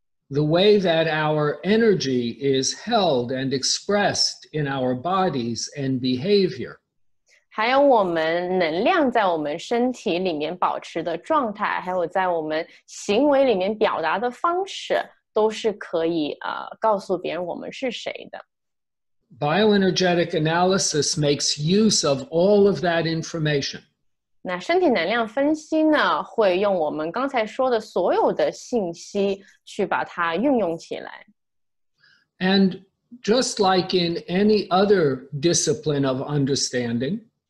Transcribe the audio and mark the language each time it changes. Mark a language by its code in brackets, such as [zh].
[en] The way that our energy is held and expressed in our bodies and behavior. [zh] 还有我们能量在我们身体里面保持的状态, 还有在我们行为里面表达的方式, 都是可以, 告诉别人我们是谁的。 [en] Bioenergetic analysis makes use of all of that information. [zh] 那身体能量分析呢, 会用我们刚才说的所有的信息去把它运用起来。 [en] And just like in any other discipline of understanding,